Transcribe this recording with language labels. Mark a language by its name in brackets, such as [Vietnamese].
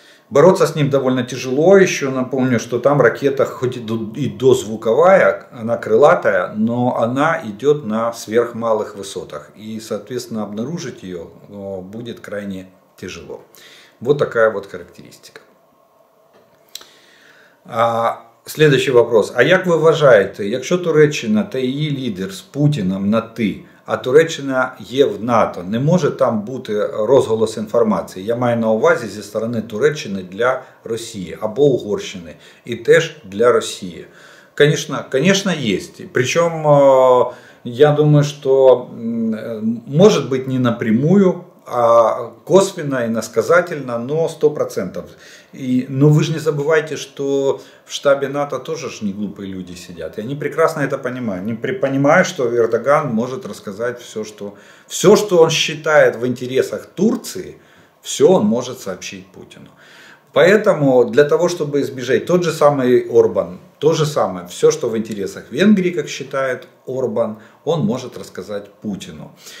[Russian] Бороться с ним довольно тяжело. Еще напомню, что там ракета, хоть и дозвуковая, она крылатая, но она идет на сверхмалых высотах. И, соответственно, обнаружить ее будет крайне тяжело. Вот такая вот характеристика. Следующий вопрос. [Ukrainian] А як ви вважаєте, якщо Туреччина та її лідер з Путіним на «ти», а Туреччина є в НАТО, не може там бути розголос інформації? Я маю на увазі зі сторони Туреччини для Росії або Угорщини і теж для Росії. Звісно, є. Причому, я думаю, що може бути не напрямую, [Russian] а косвенно, иносказательно, но 100%. Но вы же не забывайте, что в штабе НАТО тоже ж не глупые люди сидят. И они прекрасно это понимают. Они понимают, что Эрдоган может рассказать все, что он считает в интересах Турции, все он может сообщить Путину. Поэтому для того, чтобы избежать, тот же самый Орбан, то же самое, все, что в интересах Венгрии, как считает Орбан, он может рассказать Путину.